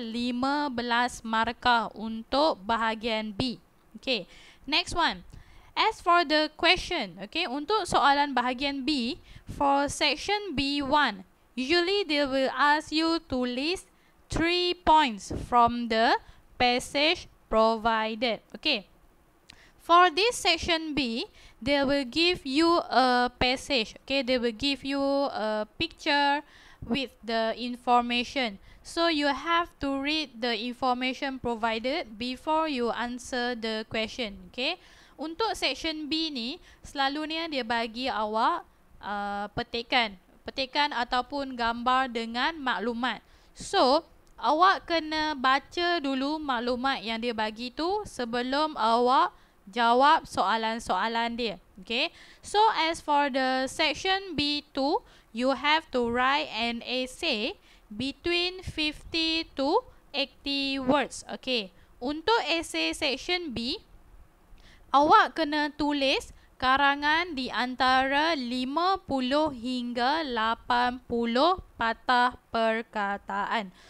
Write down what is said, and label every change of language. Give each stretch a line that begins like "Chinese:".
Malay: 15 markah untuk bahagian B.
English: Okay, next one. As for the question, okay?
Malay: Untuk soalan bahagian B,
English: for section B1, usually they will ask you to list 3 points from the passage provided. Okay, for this section B, they will give you a passage. Okay, they will give you a picture with the information. So you have to read the information provided before you answer the question.
Malay: Okay, untuk section B ni, selalunya dia bagi awak petikan ataupun gambar dengan maklumat. So awak kena baca dulu maklumat yang dia bagi tu sebelum awak jawab soalan-soalan dia.
English: Okay, so as for the section B2, you have to write an essay between 50 to 80 words.
Malay: Okay, untuk essay section B, awak kena tulis karangan di antara 50 hingga 80 patah perkataan.